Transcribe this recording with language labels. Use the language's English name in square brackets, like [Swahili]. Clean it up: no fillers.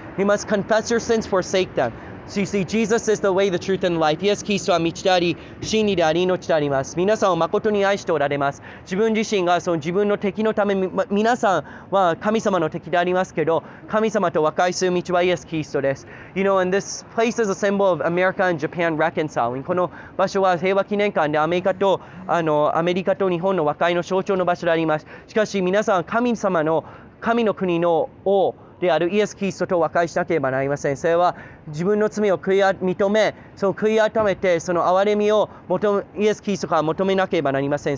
[English] You must confess your sins, forsake them. So you see, Jesus is the way, the truth, and the life. [Japanese] イエス・キリストは道であり、真理であり、命であります。皆さんを誠に愛しておられます。自分自身がその自分の敵のため、皆さんは神様の敵でありますけど、神様と和解する道はイエス・キリストです。 [English] You know, and this place is a symbol of America and Japan reconciling. [Japanese] この場所は平和記念館でアメリカと日本の和解の象徴の場所であります。しかし皆さん、神の国の王、であるイエス・キリストと和解しなければなりません。それは自分の罪を悔い認め、その悔い改めて、その憐れみをイエス・キリストから求めなければなりません。